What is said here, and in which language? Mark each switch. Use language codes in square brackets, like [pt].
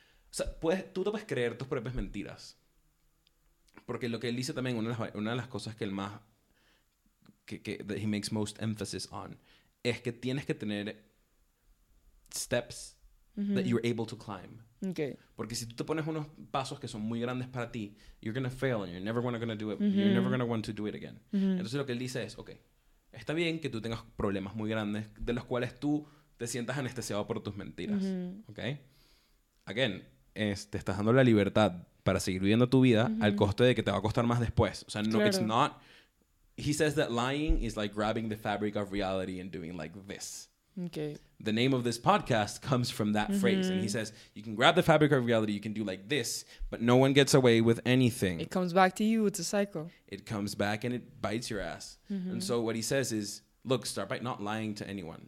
[es] O sea, tú te puedes creer tus propias mentiras. Porque lo que él dice también, una de las cosas que él más... [en] that he makes most emphasis on, [es] es que tienes que tener [en] steps that you're able to climb. Okay. [es] Porque si tú te pones unos pasos que son muy grandes para ti, [en] you're going to fail and you're never going to do it. [es] Mm-hmm. [en] You're never going to want to do it again. Mm-hmm. [es] Entonces lo que él dice es, okay, está bien que tú tengas problemas muy grandes de los cuales tú te sientas anestesiado por tus mentiras. Mm-hmm. Okay? Again, te estás dando la libertad para seguir viviendo tu vida al coste de que te va a costar más después. O sea, no, claro. [en] It's not... He says that lying is like grabbing the fabric of reality and doing like this. Okay. The name of this podcast comes from that phrase. And he says, you can grab the fabric of reality, you can do like this, but no one gets away with anything. It comes back to you, it's a cycle. It comes back and it bites your ass. Mm-hmm. And so what he says is, look, start by not lying to anyone.